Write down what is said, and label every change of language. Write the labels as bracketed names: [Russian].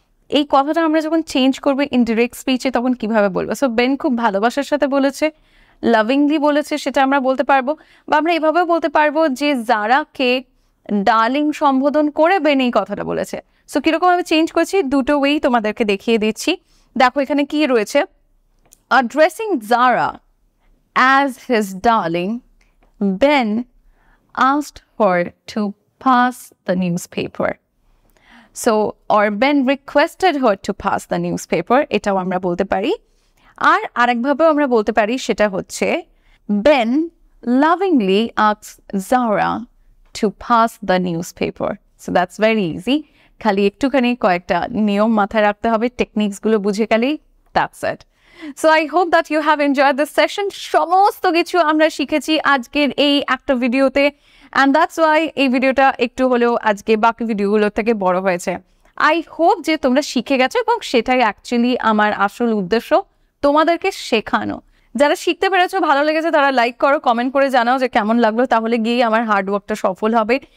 [Bangla] এই কথাটা আমরা যখন চেঞ্জ করবো ইনডিরেক্ট স্পিচে তখন কীভাবে বলবো? সো বেন খুব ভালোবাসার সাথে বলেছে, লাভিংলি বলেছে, সেটা আমরা বলতে পারবো। বা আমরা এভাবেও বলতে পারবো যে জারাকে ডার্লিং সম্বোধন করে বেন এই কথাটা বলেছে। সো কীরকমভাবে চেঞ্জ করছি দুটো ওয়েই তোমাদেরকে দেখিয়ে দিচ্ছি। দেখো এখানে কী রয়েছে, [English] Addressing Zara As his darling, Ben asked her to pass the newspaper. So, or Ben requested her to pass the newspaper. [Bangla] এটাও আমরা বলতে পারি। আর আরেকভাবেও আমরা বলতে পারি, সেটা হচ্ছে [English] Ben lovingly asked Zara to pass the newspaper. So, that's very easy. [Bangla] খালি একটুখানি কয়েকটা নিয়ম মাথায় রাখতে হবে, টেকনিক্সগুলো বুঝে গেলেই [English] that's it. So I hope that you have enjoyed this session. [Bangla] সমস্ত কিছু আমরা শিখেছি আজকের এই একটা ভিডিওতে, [English] and that's why [Bangla] এই ভিডিওটা একটু হলেও আজকে বাকি ভিডিওগুলোর থেকে বড় হয়েছে। আই হোপ যে তোমরা শিখে গেছো, এবং সেটাই অ্যাকচুয়ালি আমার আসল উদ্দেশ্য, তোমাদেরকে শেখানো। যারা শিখতে পেরেছো, ভালো লেগেছে, তারা লাইক করো, কমেন্ট করে জানাও যে কেমন লাগলো, তাহলে গিয়েই আমার হার্ডওয়ার্কটা সফল হবে।